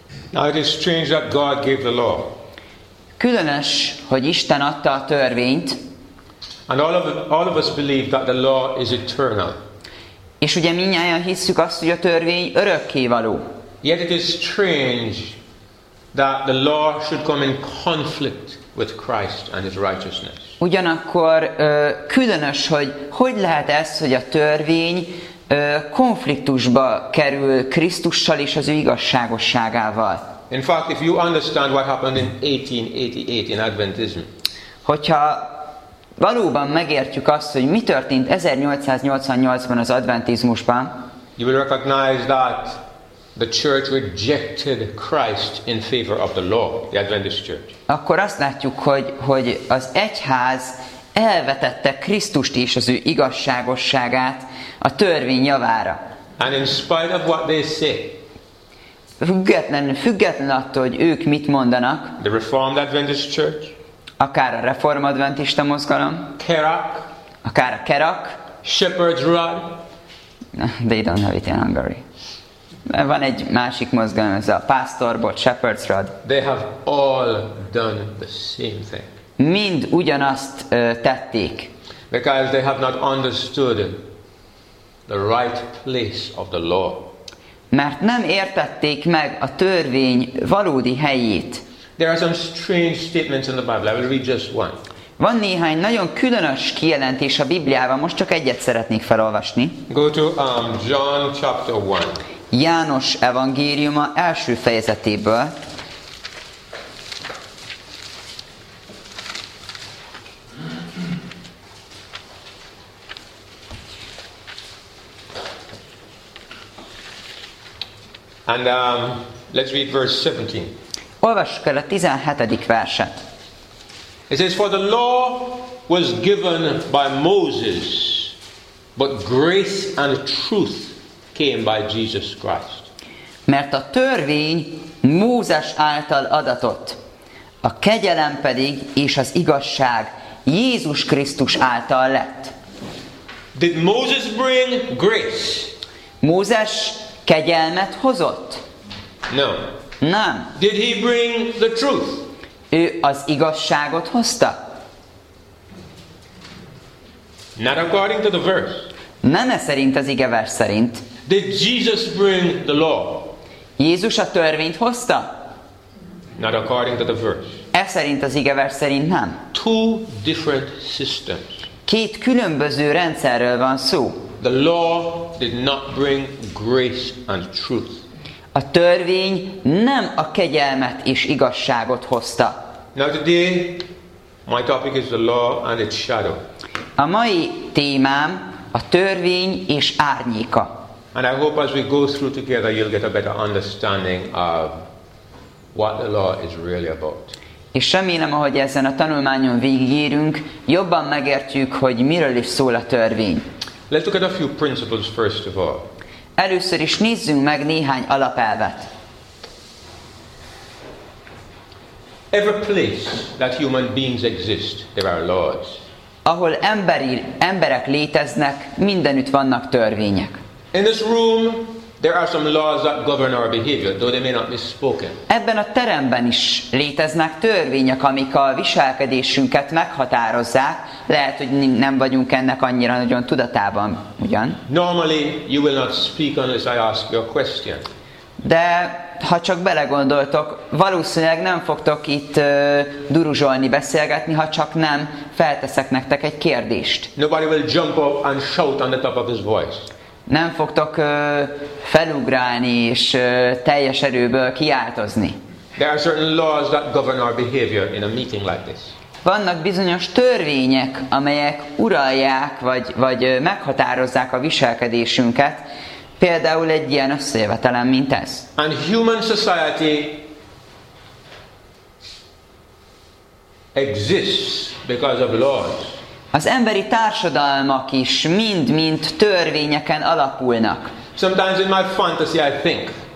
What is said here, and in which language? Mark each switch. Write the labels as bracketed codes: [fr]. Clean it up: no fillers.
[en] Now it is strange that God gave the law. [hu] Különös, hogy Isten adta a törvényt. [en] And all of us believe that the law is eternal. [hu] És ugye mindnyájan hisszük azt, hogy a törvény örökkévaló. [en] Yet it is strange that the law should come in conflict with Christ and his righteousness. [hu] Ugyanakkor különös, hogy lehet ez, hogy a törvény konfliktusba kerül Krisztussal és az ő igazságosságával. [en] In fact, if you understand what happened in 1888 in Adventism. [hu] Hogyha valóban megértjük azt, hogy mi történt 1888-ban az adventizmusban. [en] You will recognize that the church rejected Christ in favor of the law, the Adventist church. [hu] Akkor azt látjuk, hogy az egyház elvetette Krisztust és az ő igazságosságát a törvény javára. [en] And in spite of what they say, [hu] Független attól, hogy ők mit mondanak, [en] the Reformed Adventist Church, [hu] akár a Reform Adventista mozgalom, [en] Kerak, [hu] akár a Kerak, [en] Shepherd's Rod, they don't have it in Hungary. [hu] Van egy másik mozgalom, ez a Pastorbot, Shepherd's Rod. [en] They have all done the same thing. [hu] Mind ugyanazt tették. [en] Because they have not understood the right place of the law. [hu] Mert nem értették meg a törvény valódi helyét. [en] There are some strange statements in the Bible. I will read just one. [hu] Van néhány nagyon különös kijelentés a Bibliában, most csak egyet szeretnék felolvasni. [en] Go to John chapter 1. [hu] János evangéliuma első fejezetéből. [en] And let's read verse 17. [hu] Olvassuk el a 17. verset. [en] It says, for the law was given by Moses, but grace and truth came by Jesus Christ. [hu] Mert a törvény Mózes által adatott, a kegyelem pedig és az igazság Jézus Krisztus által lett. [en] Did Moses bring grace? [hu] Mózes kegyelmet hozott? [en] No. [hu] Nem. [en] Did he bring the truth? [hu] Ő az igazságot hozta? [en] Not according to the verse. [hu] Nem-e szerint az igevers szerint? [en] Did Jesus bring the law? [hu] Jézus a törvényt hozta? [en] Not according to the verse. [hu] E szerint az igevers szerint nem. [en] Two different systems. [hu] Két különböző rendszerről van szó. [en] The law did not bring grace and truth. [hu] A törvény nem a kegyelmet és igazságot hozta. [en] Now today, my topic is the law and its shadow. [hu] A mai témám a törvény és árnyéka. [en] And I hope as we go through together, you'll get a better understanding of what the law is really about. [hu] És remélem, ahogy ezen a tanulmányon végigérünk, jobban megértjük, hogy miről is szól a törvény. [en] Let's look at a few principles first of all. [hu] Először is nézzünk meg néhány alapelvet. [en] Every place that human beings exist, there are laws. [hu] Ahol emberek léteznek, mindenütt vannak törvények. [en] In this room, there are some laws that govern our behavior, though they may not be spoken. [hu] Ebben a teremben is léteznek törvények, amik a viselkedésünket meghatározzák. Lehet, hogy nem vagyunk ennek annyira nagyon tudatában, ugyan? [en] Normally, you will not speak unless I ask you a question. [hu] De ha csak belegondoltok, valószínűleg nem fogtok itt duruzsolni, beszélgetni, ha csak nem felteszek nektek egy kérdést. [en] Nobody will jump up and shout on the top of his voice. [hu] Nem fogtok felugrálni és teljes erőből kiáltozni. [en] There are certain laws that govern our behavior in a meeting like this. [hu] Vannak bizonyos törvények, amelyek uralják vagy meghatározzák a viselkedésünket Például egy ilyen összejövetelen, mint ez. [en] And human society exists because of laws. [hu] Az emberi társadalmak is mind-mind törvényeken alapulnak. [en] Sometimes in my fantasy I think.